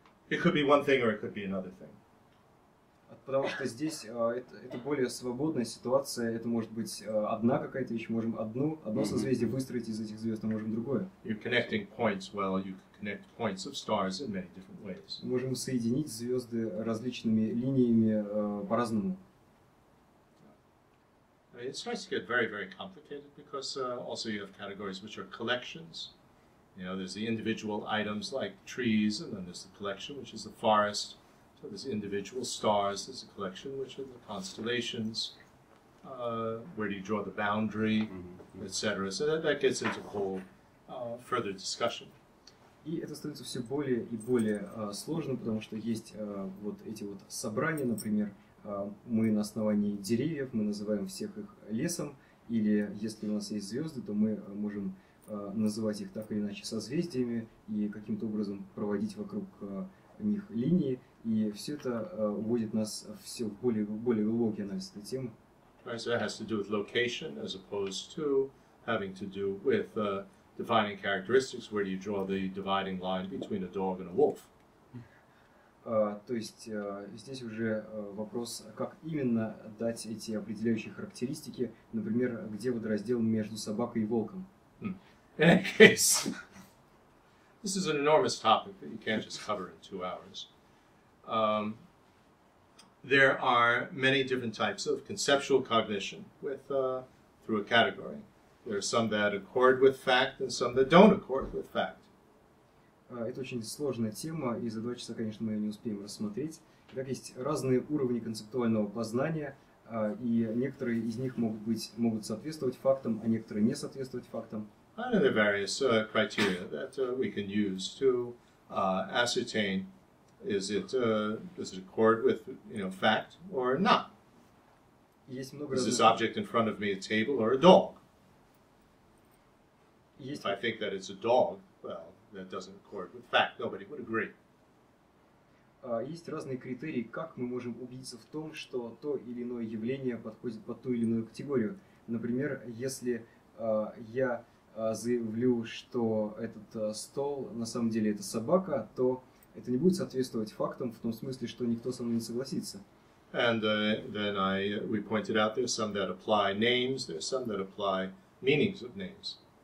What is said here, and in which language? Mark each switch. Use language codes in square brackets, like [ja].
[en] it could be one thing or it could be another thing. [ru] Потому что здесь это более свободная ситуация. Это может быть одна какая-то вещь. Можем одно созвездие выстроить из этих звезд, а можем другое. [en] You're connecting points. Well, you can connect points of stars in many different ways. [ru] Можем соединить звезды различными линиями по-разному. [en] I mean, it starts to get very, very complicated because also you have categories which are collections. You know, there's the individual items like trees, and then there's the collection, which is the forest. So there's individual stars, there's a collection, which are the constellations, where do you draw the boundary, etc. So that gets into whole further discussion. [ru] И это становится все более и более сложным, потому что есть вот эти вот собрания, например, мы на основании деревьев, мы называем всех их лесом, или если у нас есть звезды, то мы можем называть их так или иначе созвездиями и каким-то образом проводить вокруг них линии. И все это уводит нас все в более глубокий анализ этой темы. [en] Right, so it has to do with location as opposed to having to do with defining characteristics. Where do you draw the dividing line between a dog and a wolf? [ru] То есть здесь уже вопрос, как именно дать эти определяющие характеристики, например, где вот раздел между собакой и волком. [en] In any case, this is an enormous topic that you can't just cover in 2 hours. There are many different types of conceptual cognition with through a category. There are some that accord with fact and some that don't accord with fact. [ru] Это очень сложная тема, и за 2 часа, конечно, мы ее не успеем рассмотреть. Так, есть разные уровни концептуального познания, и некоторые из них могут соответствовать фактам, а некоторые не соответствовать фактам. [en] And there are various criteria that we can use to ascertain. Does it accord with, you know, fact or not? [ru] Есть много разных. [en] Is this object in front of me a table or a dog? If I think that it's a dog, well, that doesn't accord with fact. Nobody would agree. [ru] Есть разные критерии, как мы можем убедиться в том, что то или иное явление подходит под ту или иную категорию. Например, если я заявлю, что этот стол на самом деле это собака, то это не будет соответствовать фактам в том смысле, что никто со мной не согласится. [en] And then we pointed out there's some that apply names, there's some that apply meanings of names.